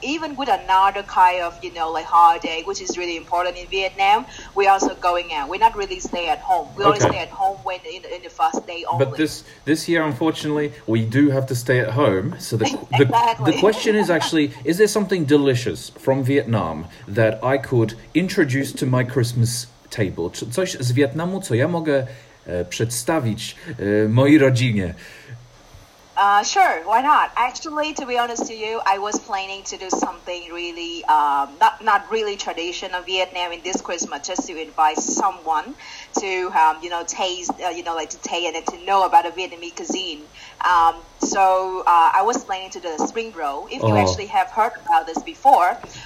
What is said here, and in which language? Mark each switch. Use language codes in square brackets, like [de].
[en] Even with another kind of, you know, like holiday, which is really important in Vietnam, we're also going out. We're not really stay at home. We only stay at home when in the first day only. But this year, unfortunately, we do have to stay at home. So exactly. The question is actually, is there something delicious from Vietnam that I could introduce to my Christmas table? [pl] Coś z Vietnamu, co ja mogę przedstawić mojej rodzinie? [en] Sure, why not? Actually, to be honest to you, I was planning to do something really, not really traditional Vietnam in this Christmas, just to invite someone to, you know, taste and then to know about a Vietnamese cuisine. So I was planning to do the spring roll. If you actually have heard about this before,